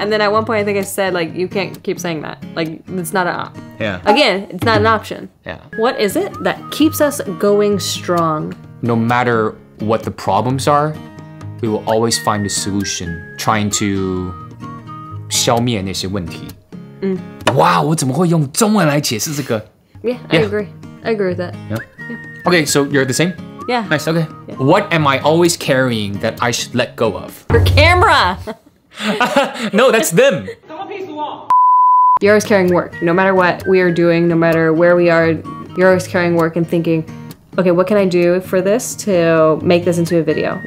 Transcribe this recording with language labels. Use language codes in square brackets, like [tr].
[en] And then at one point, I think I said, like, you can't keep saying that. Like, it's not an option. Yeah. Again, it's not an option. Yeah. What is it that keeps us going strong? No matter what the problems are, we will always find a solution trying to [zh] 消灭那些问题。哇，我怎么会用中文来解释这个？ [en] Yeah, I agree. I agree with that. Yeah. Okay, so you're the same? Yeah. Nice, okay. Yeah. What am I always carrying that I should let go of? Your camera! No, that's them! Don't piece the wall! You're always carrying work. No matter what we are doing, no matter where we are, you're always carrying work and thinking, okay, what can I do for this to make this into a video?